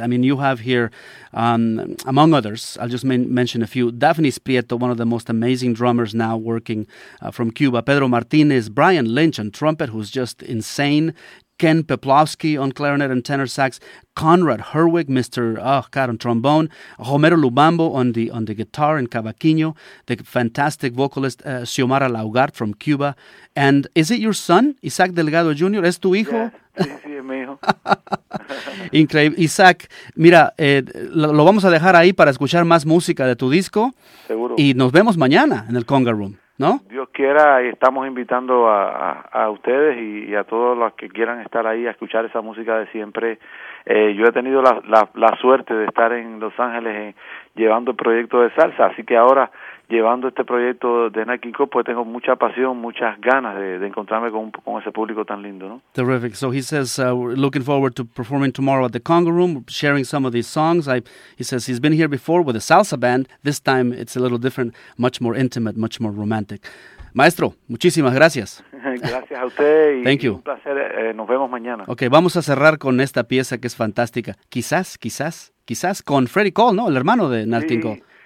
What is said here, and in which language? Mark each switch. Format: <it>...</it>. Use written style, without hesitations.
<en>I mean, you have here, among others, I'll just mention a few, Daphnis Prieto, one of the most amazing drummers now working from Cuba, Pedro Martinez, Brian Lynch on trumpet, who's just insane, Ken Peplowski on clarinet and tenor sax, Conrad Herwig, on trombone, Romero Lubambo on the guitar and cavaquinho, the fantastic vocalist Xiomara Laugard from Cuba, and is it your son, Isaac Delgado Jr.?</en> <es>¿Es tu hijo?</es> <en>Yeah.</en> <es>Sí, es mi hijo. Increíble. Isaac, mira, lo vamos a dejar ahí para escuchar más música de tu disco. Seguro. Y nos vemos mañana en el Conga Room. ¿No? Dios quiera, estamos invitando a ustedes y a todos los que quieran estar ahí a escuchar esa música de siempre. Yo he tenido la suerte de estar en Los Ángeles llevando el proyecto de salsa, así que ahora, llevando este proyecto de Nat King Cole, pues tengo mucha pasión, muchas ganas de encontrarme con ese público tan lindo, ¿no?</es> <en>Terrific. So he says, looking forward to performing tomorrow at the Conga Room, sharing some of these songs. He says he's been here before with a salsa band. This time it's a little different, much more intimate, much more romantic.</en> <es>Maestro, muchísimas gracias. Gracias a usted.</es> <en>Thank you.</en> <es>Un placer. Nos vemos mañana. Okay, vamos a cerrar con esta pieza que es fantástica. Quizás con Freddie Cole, ¿no? El hermano de Nat King Cole.</es>